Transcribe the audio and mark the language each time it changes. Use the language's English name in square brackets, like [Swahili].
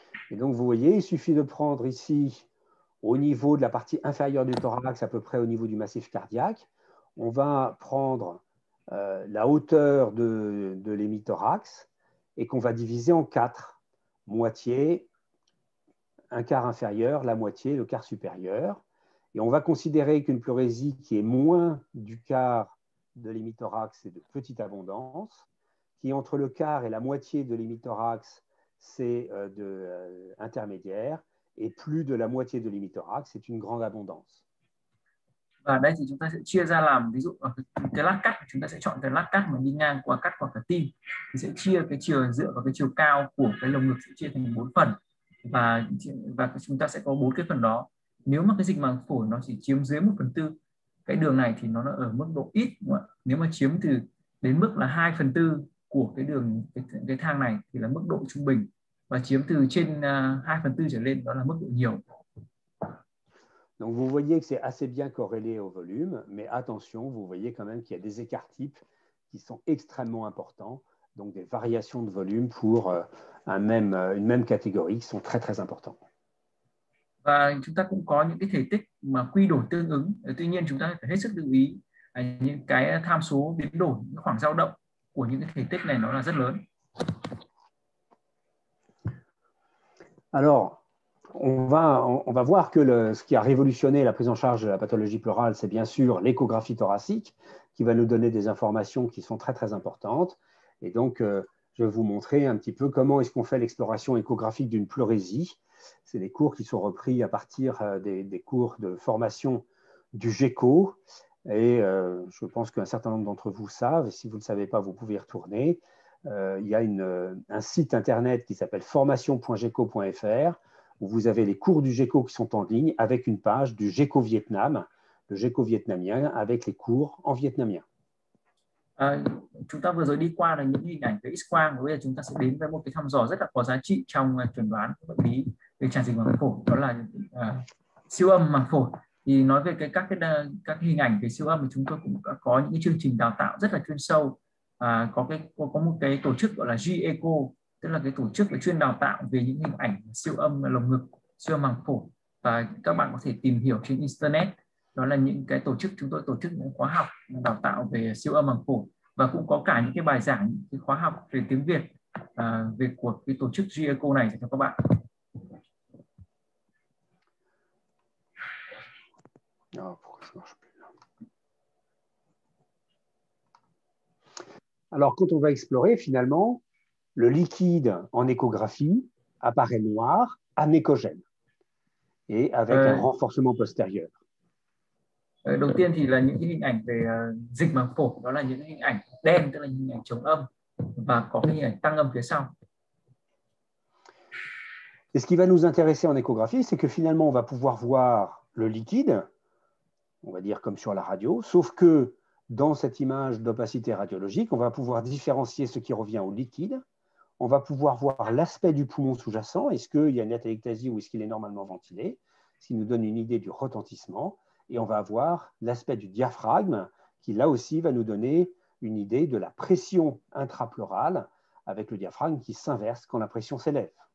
[French] Et donc, vous voyez, il suffit de prendre ici, au niveau de la partie inférieure du thorax, à peu près au niveau du massif cardiaque, on va prendre la hauteur de l'hémithorax et qu'on va diviser en quatre, moitié, un quart inférieur, la moitié, le quart supérieur. Et on va considérer qu'une pleurésie qui est moins du quart de l'hémithorax est de petite abondance, qui est entre le quart et la moitié de l'hémithorax. C'est de intermédiaire et plus de la moitié de l'hémithorax, c'est une grande abondance. [Vietnamese] Và đây thì chúng ta sẽ chia ra làm ví dụ cái lát cắt, chúng ta sẽ chọn cái lát cắt mà đi ngang qua cắt qua cả tim, thì sẽ chia cái chiều dựa vào cái chiều cao của cái lồng ngực sẽ chia thành bốn phần và chúng ta sẽ có bốn cái phần đó. Nếu mà cái dịch màng phổi nó chỉ chiếm dưới 1/4 cái đường này thì nó ở mức độ ít, đúng không ạ? Nếu mà chiếm từ đến mức là 2/4 của cái đường cái thang này thì là mức độ trung bình và chiếm từ trên 2/4 trở lên đó là mức độ nhiều. [French] Donc vous voyez que c'est assez bien corrélé au volume, mais attention, vous voyez quand même qu'il y a des écarts-types qui sont extrêmement importants, donc des variations de volume pour une même catégorie qui sont très très importantes. [Vietnamese] Và chúng ta cũng có những cái thể tích mà quy đổi tương ứng. Tuy nhiên chúng ta phải hết sức lưu ý những cái tham số biến đổi, những khoảng dao động của những cái thể tích này nó là rất lớn. [French] Alors. On va voir que ce qui a révolutionné la prise en charge de la pathologie pleurale, c'est bien sûr l'échographie thoracique, qui va nous donner des informations qui sont très très importantes. Et donc, je vais vous montrer un petit peu comment est-ce qu'on fait l'exploration échographique d'une pleurésie. C'est des cours qui sont repris à partir des cours de formation du GECO. Et je pense qu'un certain nombre d'entre vous savent, et si vous ne le savez pas, vous pouvez y retourner. Il y a un site internet qui s'appelle formation.geco.fr. Où vous avez les cours du GECO qui sont en ligne avec une page du GECO Vietnam, le GECO vietnamien avec les cours en vietnamien. [Vietnamese] Chúng ta vừa rồi đi qua là những hình ảnh cái X-quang, bây giờ chúng ta sẽ đến với một cái thăm dò rất là có giá trị trong chẩn đoán bệnh lý về tràn dịch màng phổi, đó là siêu âm màng phổi. Thì nói về các hình ảnh về siêu âm thì chúng tôi cũng có những cái chương trình đào tạo rất là chuyên sâu, có một cái tổ chức gọi là GECO, tức là cái tổ chức chuyên đào tạo về những hình ảnh siêu âm lồng ngực, siêu âm màng phổi, và các bạn có thể tìm hiểu trên internet. Đó là những cái tổ chức chúng tôi tổ chức những khóa học đào tạo về siêu âm màng phổi và cũng có cả những cái bài giảng cái khóa học về tiếng Việt về của cái tổ chức GECO này cho các bạn. [French] Oh, pourquoi ça marche plus là? Alors, quand on va explorer, finalement, le liquide en échographie apparaît noir, anéchogène, et avec un renforcement postérieur. [Vietnamese] Đầu tiên thì là những hình ảnh về dịch màng phổi, đó là những hình ảnh đen, tức là hình ảnh chống âm, và có hình ảnh tăng âm phía sau. [French] Et ce qui va nous intéresser en échographie, c'est que finalement, on va pouvoir voir le liquide, on va dire comme sur la radio, sauf que dans cette image d'opacité radiologique, on va pouvoir différencier ce qui revient au liquide, on va pouvoir voir l'aspect du poumon sous-jacent, est-ce qu'il y a une atélectasie ou est-ce qu'il est normalement ventilé, ce qui nous donne une idée du retentissement, et on va avoir l'aspect du diaphragme, qui là aussi va nous donner une idée de la pression intrapleurale, avec le diaphragme qui s'inverse quand la pression s'élève.